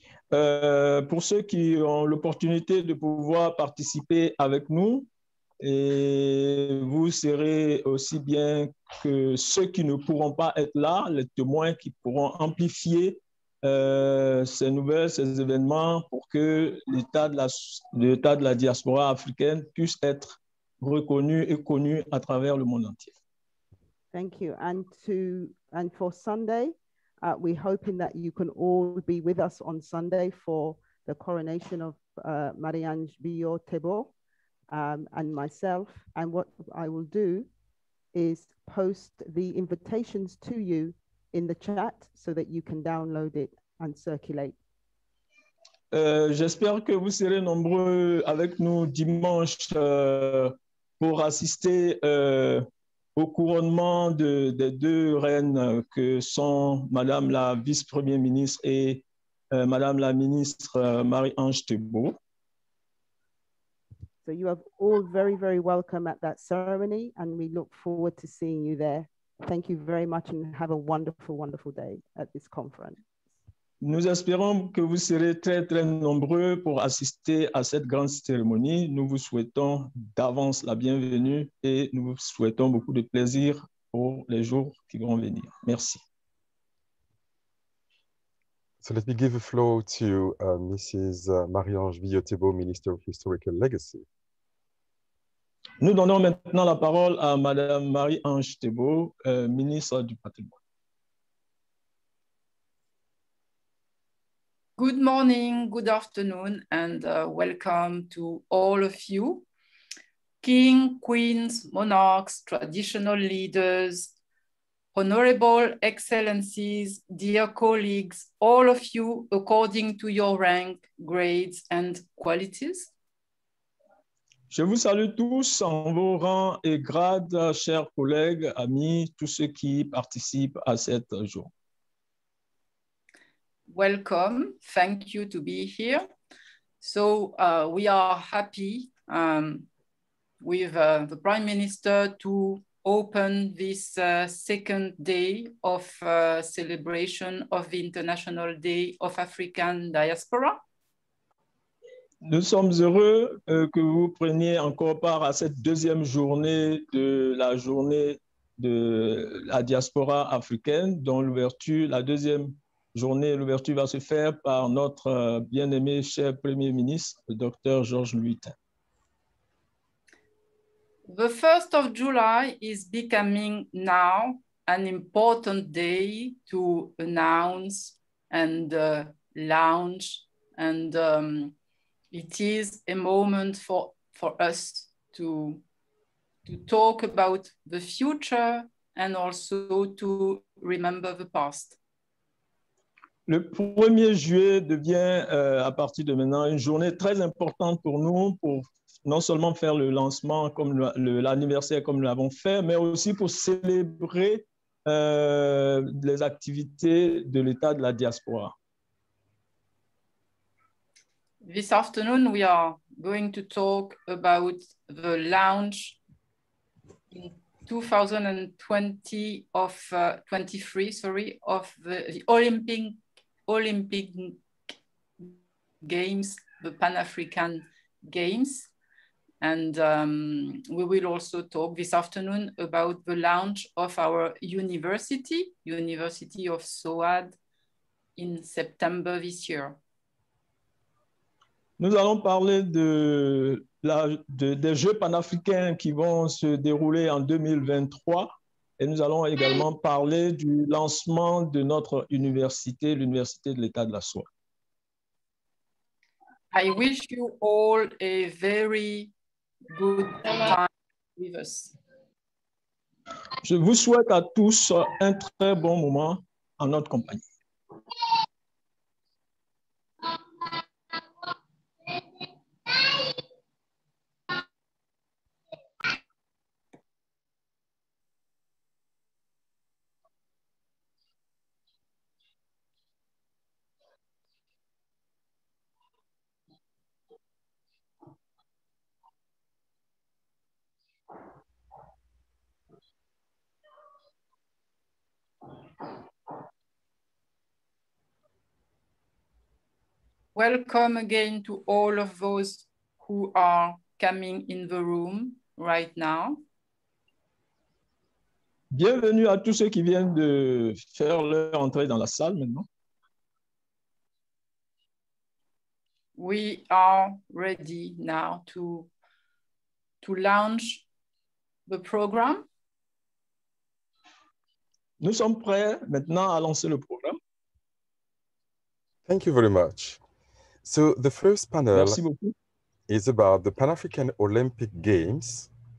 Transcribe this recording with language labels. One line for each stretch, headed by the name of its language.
French: Pour ceux qui ont l'opportunité de pouvoir participer avec nous, et vous serez aussi bien que ceux qui ne pourront pas être là, les témoins qui pourront amplifier ces nouvelles, ces événements pour que l'état de la diaspora africaine puisse être reconnu et connu à travers le monde entier.
English: Thank you. And for Sunday, we're hoping that you can all be with us on Sunday for the coronation of Marie-Ange Billot-Thibault. And myself, and what I will do is post the invitations to you in the chat so that you can download it and circulate.
French: J'espère que vous serez nombreux avec nous dimanche pour assister au couronnement des deux reines que sont Madame la vice-première ministre et Madame la ministre Marie-Ange Thibault.
English: So you are all very, very welcome at that ceremony, and we look forward to seeing you there. Thank you very much, and have a wonderful, wonderful day at this conference.
French: Nous espérons que vous serez très, très nombreux pour assister à cette grande cérémonie. Nous vous souhaitons d'avance la bienvenue, et nous vous souhaitons beaucoup de plaisir pour les jours qui vont venir. Merci.
English: So let me give the floor to Mrs. Marie-Ange Billot-Thibault, Minister of Historical Legacy.
French: Nous donnons maintenant la parole à Madame Marie-Ange Thibault, ministre du patrimoine.
English: Good morning, good afternoon, and welcome to all of you. King, queens, monarchs, traditional leaders, Honorable Excellencies, dear colleagues, all of you, according to your rank, grades, and qualities.
French: Je vous salue tous en vos rangs et grades, chers collègues, amis, tous ceux qui participent à cette journée.
English: Welcome. Thank you to be here. So we are happy with the Prime Minister to open this second day of celebration of the International Day of African Diaspora.
French: Nous sommes heureux que vous preniez encore part à cette deuxième journée de la diaspora africaine, dont l'ouverture, la deuxième journée, l'ouverture va se faire par notre bien-aimé cher Premier ministre, le Dr. Georges Luitin.
English: The 1st of July is becoming now an important day to announce and launch, and it is a moment for us to talk about the future and also to remember the past.
French: Le 1er juillet devient à partir de maintenant une journée très importante pour nous pour non seulement faire le lancement comme l'anniversaire comme nous l'avons fait, mais aussi pour célébrer les activités de l'état de la diaspora.
English: This afternoon, we are going to talk about the launch in 2020 of 23, sorry, of the Olympic Games, the Pan-African Games. And we will also talk this afternoon about the launch of our University of SOAD, in September this year.
French: Nous allons parler des Jeux panafricains qui vont se dérouler en 2023, et nous allons également parler du lancement de notre université, l'Université de l'État de la SOAD.
English: I wish you all a very good time with us.
French: Je vous souhaite à tous un très bon moment en notre compagnie.
English: Welcome again to all of those who are coming in the room right now.
French: Bienvenue à tous ceux qui viennent de faire leur entrée dans la salle maintenant.
English: We are ready now to launch the program.
French: Nous sommes prêts maintenant à lancer le programme.
English: Thank you very much. So the first panel is about the Pan-African Olympic Games.